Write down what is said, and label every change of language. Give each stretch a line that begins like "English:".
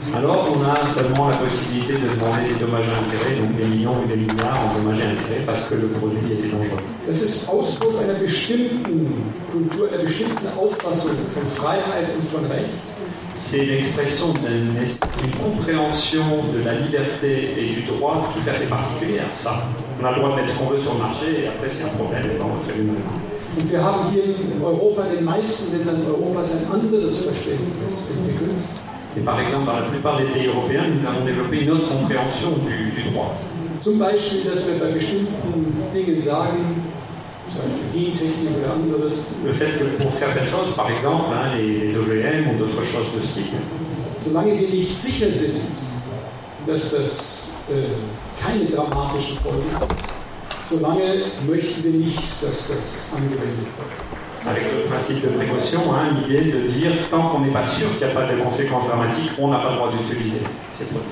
French: Alors, on a seulement la possibilité de demander des dommages et intérêts, donc des millions ou des milliards en dommages et intérêts, parce que le produit était dangereux.
German: Das ist Ausdruck einer bestimmten Kultur, einer bestimmten Auffassung von Freiheit und von Recht.
French: C'est l'expression d'une compréhension de la liberté et du droit tout à fait particulière, ça. On a le droit de mettre ce qu'on veut sur le marché, et après, c'est un problème dans votre humain.
German: Und wir haben hier in Europa, in den meisten Ländern Europas, ein anderes Verständnis entwickelt.
French: Et par exemple, dans la plupart des pays européens, nous avons développé une autre compréhension du droit.
German: Zum Beispiel, dass wir bei bestimmten Dingen sagen, zum Beispiel Gentechnik oder anderes.
French: Le fait que pour certaines choses, par exemple, hein, les OGM ou d'autres choses de ce type.
German: Solange wir nicht sicher sind, dass das keine dramatischen Folgen hat, solange möchten wir nicht, dass das angewendet wird.
French: Avec le principe de précaution, hein, l'idée de dire tant qu'on n'est pas sûr qu'il n'y a pas de conséquences dramatiques, on n'a pas le droit d'utiliser ces